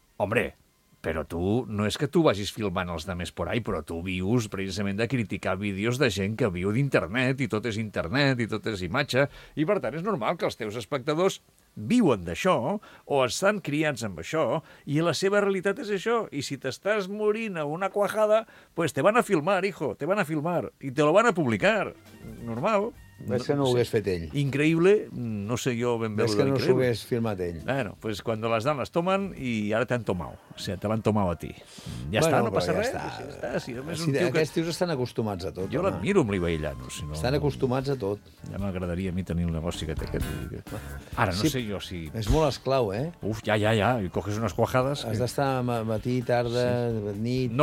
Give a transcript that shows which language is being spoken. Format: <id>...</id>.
<ca>Hombre, però tu, no és que tu vagis filmant els demés por ahí, però tu vius precisament de criticar vídeos de gent que viu d'internet, i tot és internet, i tot és imatge, i per tant és normal que els teus espectadors viuen d'això, o estan criats amb això, i la seva realitat és això, i si t'estàs morint a una cuajada,</ca> <es>pues te van a filmar, hijo, te van a filmar, i te lo van a publicar.</es> <ca>Normal. Ves que no ho hagués fet ell. Increïble, no sé jo ben bé. Ves que no s'ho hagués filmat ell.</ca> <es>Bueno, pues cuando las dan las toman,</es> <ca>i ara t'han</ca> <es>tomado, o sea, te l'han tomado a ti.</es> <ca>Ja bueno, està, no passa ja res. Està. Sí, ja està. Sí, tio aquests tios estan acostumats a tot. Jo l'admiro amb l'Ibai Llanos. Si no, estan acostumats a tot. Ja m'agradaria a mi tenir el negoci que té aquest. Ara, no sí, sé jo si... És molt esclau, eh? Uf, ja, i coges unes cuajades... Has d'estar matí, tarda, sí, nit...</ca>